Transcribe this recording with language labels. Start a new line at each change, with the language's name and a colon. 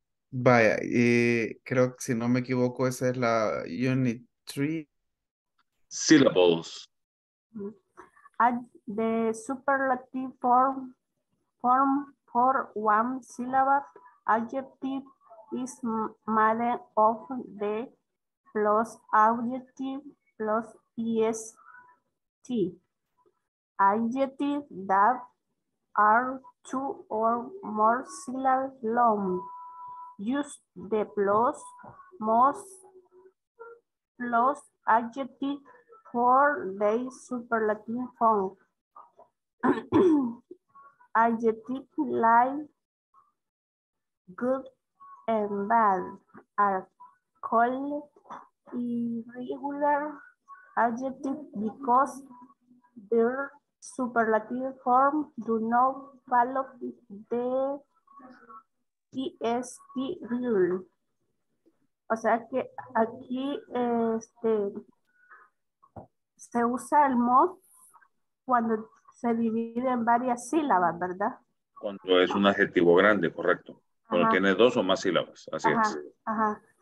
Spanish: Vaya, creo que si no me equivoco, esa es la Unit 3.
English: Syllables. Add the superlative form for one syllable adjective is made of the plus adjective plus est. Adjectives that are two or more syllables long use the plus most plus adjective for their superlative form. Adjectives like good and bad are called irregular adjectives because their superlative form do not follow the EST rule.
Spanish: O sea que aquí este se usa el mod cuando se divide en varias sílabas, ¿verdad? Cuando es un adjetivo grande, correcto. Cuando ajá. tiene dos o más sílabas, así ajá, es. Ajá.